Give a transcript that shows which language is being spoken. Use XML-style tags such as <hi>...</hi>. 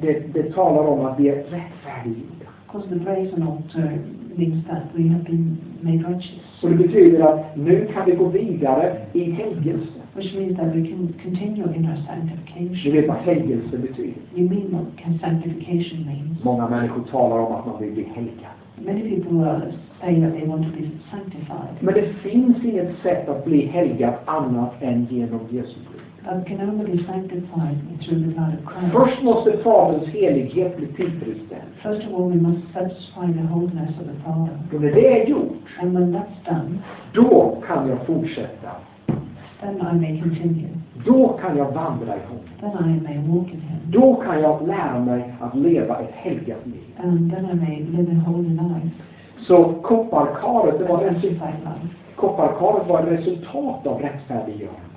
<sv>Det talar om att vi är rättfärdiga.</sv> <en>Because the brazen altar means that we have been made righteous.</en> <sv>Så det betyder att nu kan vi gå vidare i helgelse.</sv> <en>Which means that we can continue in our sanctification.</en> <sv>Du vet vad helgelse betyder.</sv> <en>You mean what can sanctification means?</en> <sv>Många människor talar om att man vill bli helgad.</sv> <en>Many people are saying that they want to be sanctified.</en> <sv>Men det finns inget sätt att bli helgad annat än genom Jesu blod.</sv> <en>But can only be sanctified through the blood of Christ.</en> <sv>Först måste Faderns helighet bli tillfredsställd.</sv> <en>First of all, we must satisfy the holiness of the Father.</en> <sv>Och när det är gjort.</sv> <en>And when that's done.</en> <sv>Då kan jag fortsätta.</sv> <en>Then I may continue.</en> <sv>Då kan jag vandra i honom.</sv> <en>Then I may walk in him.</en> <sv>Då kan jag lära mig att leva ett helgat liv.</sv> <en>And then I may live a holy life.</en> <sv>Så kopparkaret, det var kopparkaret var ett resultat av rättfärdiggörande.</sv>